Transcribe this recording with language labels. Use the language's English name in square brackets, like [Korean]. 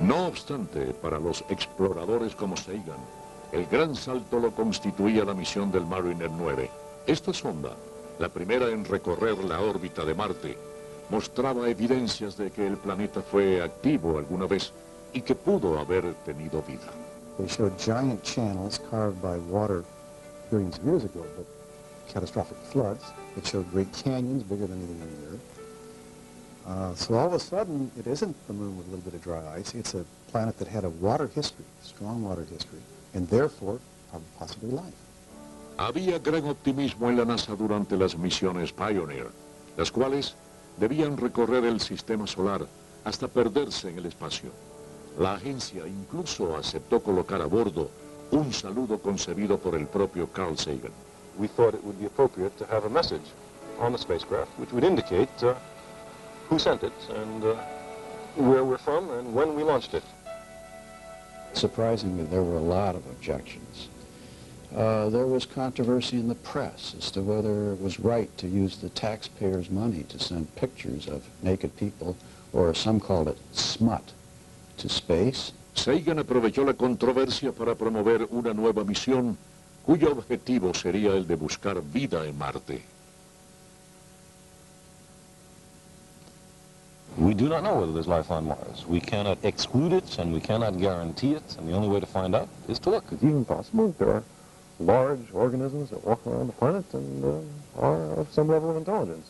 [Spanish] No obstante, para los exploradores como Sagan, el gran salto lo constituía la misión del Mariner 9. Esta sonda, la primera en recorrer la órbita de Marte, mostraba evidencias de que el planeta fue activo alguna vez y que pudo haber tenido vida. [English] They showed giant channels carved by water billions of years ago, but catastrophic floods. It showed great canyons bigger than anything on the Earth. So all of a sudden, it isn't the moon with a little bit of dry ice. It's a planet that had a water history, strong water history, and therefore, possibly life. [Spanish] Había gran optimismo en la NASA durante las misiones Pioneer, las cuales debían recorrer el sistema solar hasta perderse en el espacio. La agencia incluso aceptó colocar a bordo un saludo concebido por el propio Carl Sagan. [English] We thought it would be appropriate to have a message on the spacecraft, which would indicate who sent it and where we're from and when we launched it. Surprisingly, there were a lot of objections. There was controversy in the press as to whether it was right to use the taxpayers' money to send pictures of naked people, or some called it smut, to space. [Spanish] Sagan aprovechó la controversia para promover una nueva misión cuyo objetivo sería el de buscar vida en Marte. [English] We do not know whether there's life on Mars. We cannot exclude it and we cannot guarantee it, and the only way to find out is to look. It's even possible that there are large organisms that walk around the planet and are of some level of intelligence.